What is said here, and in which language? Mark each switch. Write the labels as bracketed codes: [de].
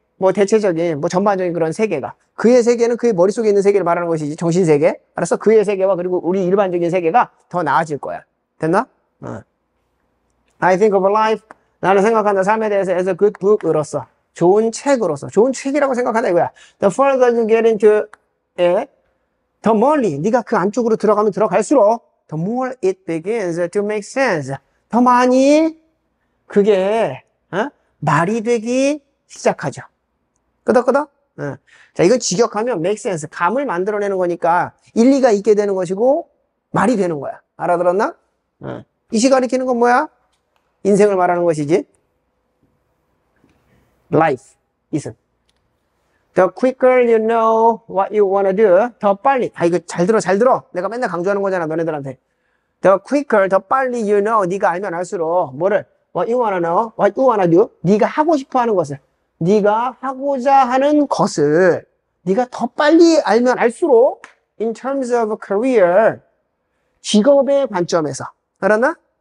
[ko] 뭐 대체적인, 뭐 전반적인 그런 세계가. 그의 세계는 그의 머릿속에 있는 세계를 말하는 것이지. 정신세계. 알았어? 그의 세계와 그리고 우리 일반적인 세계가 더 나아질 거야. 됐나? [en] I think of a life. [ko] 나는 생각한다. 삶에 대해서 as a good book으로서. 좋은 책으로서. 좋은 책이라고 생각한다. 이거야. [en] The further you get into it, [ko] 더 멀리. 네가 그 안쪽으로 들어가면 들어갈수록 [en] the more it begins to make sense. [ko] 더 많이 그게 말이 되기 시작하죠. 끄덕끄덕. 자, 이건 직역하면 make sense. 감을 만들어내는 거니까 일리가 있게 되는 것이고 말이 되는 거야. 알아들었나? 이시 가리키는 건 뭐야? 인생을 말하는 것이지. [en] Life isn't. The quicker you know what you wanna do, [ko] 더 빨리. 아, 이거 잘 들어, 잘 들어. 내가 맨날 강조하는 거잖아, 너네들한테. [en] The quicker, [ko] 더 빨리 [en] you know, [ko] 네가 알면 알수록, 뭐를? [en] What you wanna know, what you wanna do, [ko] 네가 하고 싶어 하는 것을, 네가 하고자 하는 것을, 네가 더 빨리 알면 알수록, [en] in terms of career, [ko] 직업의 관점에서, 알았나?